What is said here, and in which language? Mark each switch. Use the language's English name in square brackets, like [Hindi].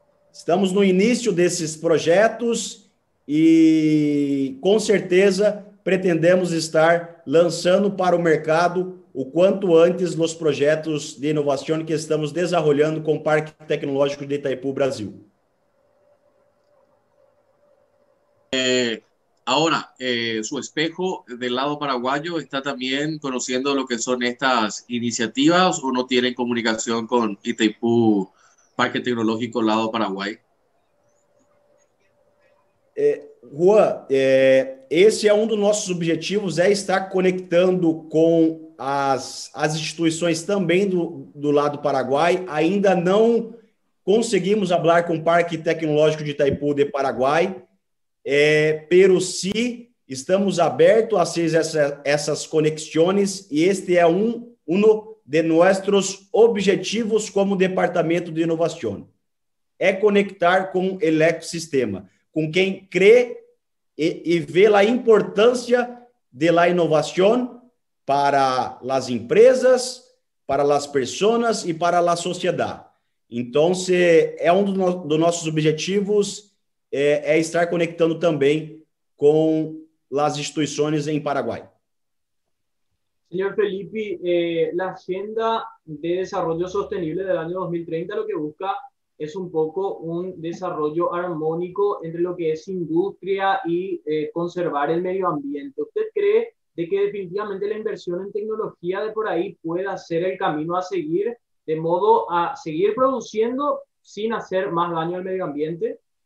[Portuguese] Estamos no início desses projetos e, com certeza, pretendemos estar lançando para o mercado o quanto antes nos projetos de inovação que estamos desenvolvendo com o Parque Tecnológico de Itaipu Brasil. [Spanish] Ahora, su espejo del lado paraguayo está también conociendo lo que son estas iniciativas o no tienen comunicación con Itaipú, Parque Tecnológico lado Paraguay. [Portuguese] Juan, esse é um dos nossos objetivos, é estar conectando com as instituições também do lado Paraguai. Ainda não conseguimos falar com o Parque Tecnológico de Itaipu de Paraguai, [Spanish] pero sí, [Portuguese] estamos abertos a hacer essas conexões, e este é um de nossos objetivos como Departamento de Inovação. É conectar com o ecossistema, com quem crê e vê a importância de la inovação para as empresas, para as pessoas e para a sociedade. Então, é um dos nossos objetivos, é estar conectando também com as instituições em Paraguai. [Spanish] Senhor Felipe, a Agenda de Desarrollo Sostenible [Portuguese] do ano 2030, o que [Spanish] busca es un poco un desarrollo armónico entre lo que es industria y conservar el medio ambiente. ¿Usted cree de que definitivamente la inversión en tecnología de por ahí pueda ser el camino a seguir, de modo a seguir produciendo sin hacer más daño al medio ambiente?